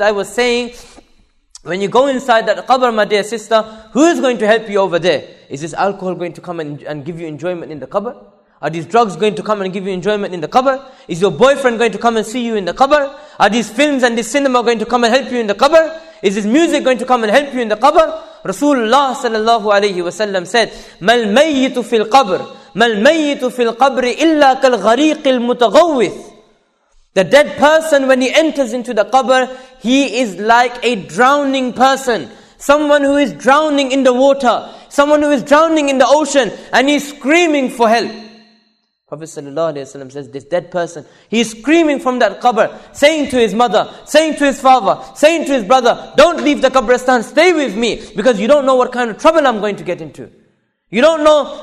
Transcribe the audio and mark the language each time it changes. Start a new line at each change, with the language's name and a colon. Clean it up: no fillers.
English: I was saying, when you go inside that qabr, my dear sister, who is going to help you over there? Is this alcohol going to come and give you enjoyment in the qabr? Are these drugs going to come and give you enjoyment in the qabr? Is your boyfriend going to come and see you in the qabr? Are these films and this cinema going to come and help you in the qabr? Is this music going to come and help you in the qabr?
Arabic: Rasulullah sallallahu alayhi wa sallam said, مَا الْمَيِّتُ فِي الْقَبْرِ مَا الْمَيِّتُ فِي الْقَبْرِ إِلَّا كَالْغَرِيقِ الْمُتَغَوِّثِ.
English: The dead person, when he enters into the qabr, he is like a drowning person. Someone who is drowning in the water. Someone who is drowning in the ocean. And he's screaming for help. Prophet sallallahu alaihi wasallam says, this dead person, he is screaming from that qabr, saying to his mother, saying to his father, saying to his brother, don't leave the qabristan, stay with me, because you don't know what kind of trouble I'm going to get into. You don't know.